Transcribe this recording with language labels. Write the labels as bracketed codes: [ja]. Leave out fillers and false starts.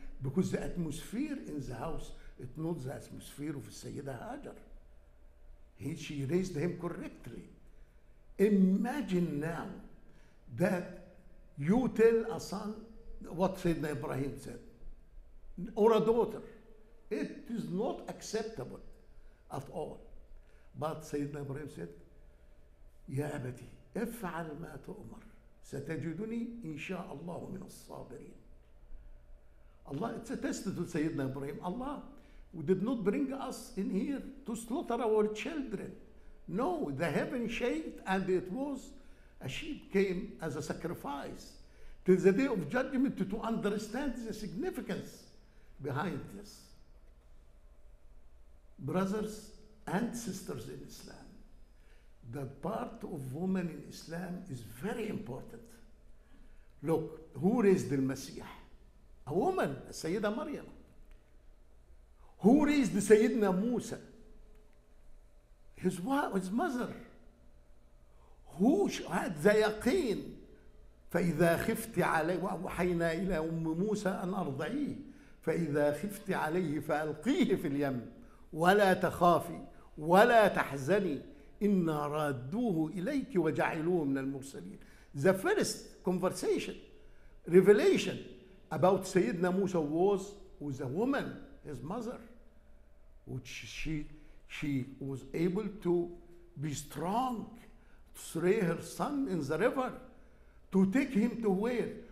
[en] Because the atmosphere in the house, it's not the atmosphere of Sayyida Hajar. She raised him correctly. Imagine now that you tell a son what Sayyidina Ibrahim said, or a daughter. It is not acceptable at all. But Sayyidina Ibrahim said, [ar] يا أبتي افعل ما تؤمر ستجدني إن شاء الله من الصابرين. [en] Allah, it's a test to Sayyidina Ibrahim. Allah did not bring us in here to slaughter our children. No, the heaven shaked and it was a sheep came as a sacrifice till the day of judgment to understand the significance behind this. Brothers and sisters in Islam, the part of women in Islam is very important. Look, who raised the Messiah? A woman, Sayyida Maryam. Who raised Sayyidina Musa? His mother. Who had the yaqeen? [ar] فإذا خفت عليه وحينا إلى أم موسى أن أرضعيه فإذا خفت عليه فألقيه في اليم ولا تخافي ولا تحزني إنا رادوه إليك وجعلوه من المرسلين. [en] The first conversation, revelation about سيدنا موسى was with a woman, his mother, which she was able to be strong, to slay her son in the river, to take him to where?